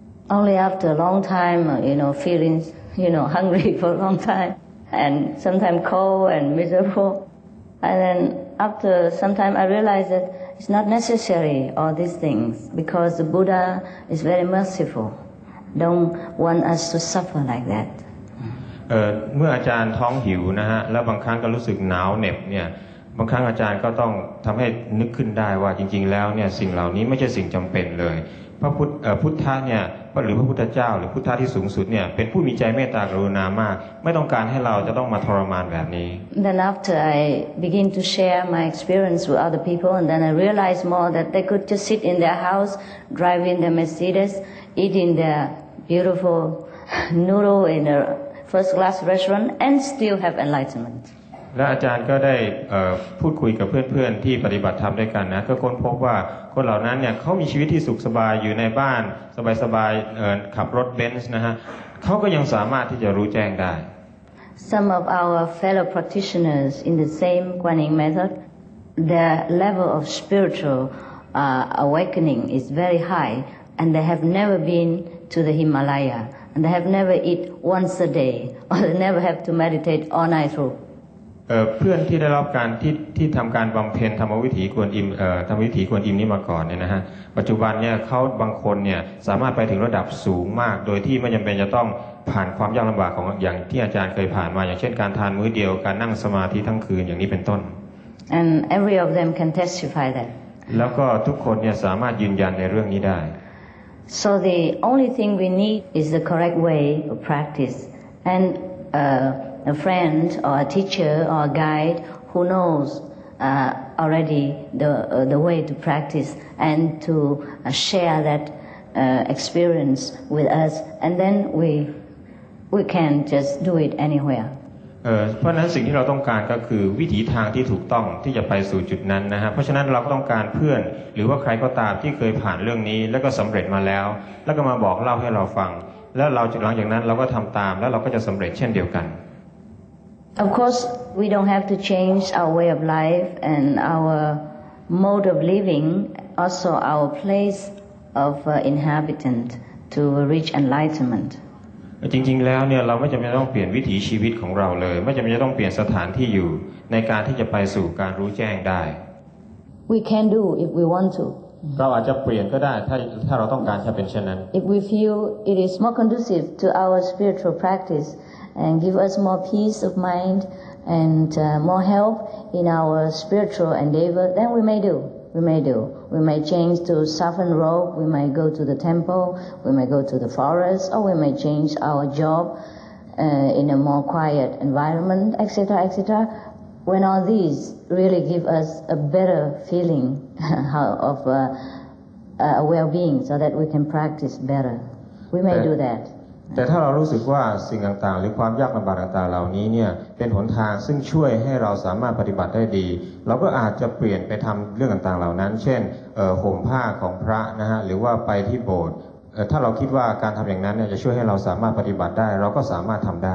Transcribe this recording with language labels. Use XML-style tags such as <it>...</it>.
<en>Only after a long time you know feeling you know hungry for a long time and sometimes cold and miserable and thenAfter some time, I realized that it's not necessary all these things because the Buddha is very merciful. Don't want us to suffer like that.</en> <th>เมื่ออาจารย์ท้องหิวนะฮะแล้วบางครั้งก็รู้สึกหนาวเหน็บเนี่ยบางครั้งอาจารย์ก็ต้องทำให้นึกขึ้นได้ว่าจริงๆแล้วเนี่ยสิ่งเหล่านี้ไม่ใช่สิ่งจำเป็นเลยพุทธะเนี่ยหรือพระพุทธเจ้าหรือพุทธะที่สูงสุดเนี่ยเป็นผู้มีใจเมตตากรุณามากไม่ต้องการให้เราจะต้องมาทรมานแบบนี้</th> <en>Then after I begin to share my experience with other people and then I realize more that they could just sit in their house driving their Mercedes eating their beautiful noodle in a first class restaurant and still have enlightenment</en> <th>และอาจารย์ก็ได้พูดคุยกับเพื่อนๆที่ปฏิบัติธรรมด้วยกันนะก็ค้นพบว่าคนเหล่านั้นเนี่ยเขามีชีวิตที่สุขสบายอยู่ในบ้านสบายๆขับรถเบนซ์นะฮะเขาก็ยังสามารถที่จะรู้แจ้งได้</th> <en>Some of our fellow practitioners in the same Guanyin method their level of spiritual awakening is very high and they have never been to the Himalaya and they have never eat once a day or they never have to meditate all night through</en> <th>เพื่อนที่ได้รับการที่ทำการบำเพ็ญธรรมวิถีกวนอิมธรรมวิถีกวนอิมนี้มาก่อนเนี่ยนะฮะปัจจุบันเนี่ยเขาบางคนเนี่ยสามารถไปถึงระดับสูงมากโดยที่ไม่จำเป็นจะต้องผ่านความยากลำบากของอย่างที่อาจารย์เคยผ่านมาอย่างเช่นการทานมื้อเดียวการนั่งสมาธิทั้งคืนอย่างนี้เป็นต้น</th> <en>and every of them can testify that</en> <th>แล้วก็ทุกคนเนี่ยสามารถยืนยันในเรื่องนี้ได้</th> <en>so the only thing we need is the correct way of practice andA friend or a teacher or a guide who knows already the way to practice and to share that experience with us and then we can just do it anywhere</en> <th>เพราะฉะนั้นสิ่งที่เราต้องการก็คือวิถีทางที่ถูกต้องที่จะไปสู่จุดนั้นนะฮะเพราะฉะนั้นเราก็ต้องการเพื่อนหรือว่าใครก็ตามที่เคยผ่านเรื่องนี้แล้วก็สำเร็จมาแล้วแล้วก็มาบอกเล่าให้เราฟังแล้วเราหลังจากนั้นเราก็ทำตามแล้วเราก็จะสำเร็จเช่นเดียวกัน</th> <en>Of course, we don't have to change our way of life and our mode of living, also our place of inhabitant to reach enlightenment.</en> <th>จริงๆแล้วเนี่ยเราไม่จำเป็นต้องเปลี่ยนวิถีชีวิตของเราเลยไม่จำเป็นจะต้องเปลี่ยนสถานที่อยู่ในการที่จะไปสู่การรู้แจ้งได้</th> <en>We can do if we want to.</en> <th>เราอาจจะเปลี่ยนก็ได้ถ้าเราต้องการจะเป็นเช่นนั้น</th> <en>If we feel it is more conducive to our spiritual practice and give us more peace of mind and more help in our spiritual endeavor, then we may do. We may change to southern robe, we may go to the temple, we may go to the forest, or we may change our job in a more quiet environment, etc., etc. When all these really give us a better feeling of well-being so that we can practice better, we may do that.</en> <th>แต่ถ้าเรารู้สึกว่าสิ่งต่างๆหรือความยากลำบากต่างๆเหล่านี้เนี่ยเป็นหนทางซึ่งช่วยให้เราสามารถปฏิบัติได้ดีเราก็อาจจะเปลี่ยนไปทำเรื่องต่างๆเหล่านั้นเช่นห่มผ้าของพระนะฮะหรือว่าไปที่โบสถ์ถ้าเราคิดว่าการทำอย่างนั้นเนี่ยจะช่วยให้เราสามารถปฏิบัติได้เราก็สามารถทำได</th>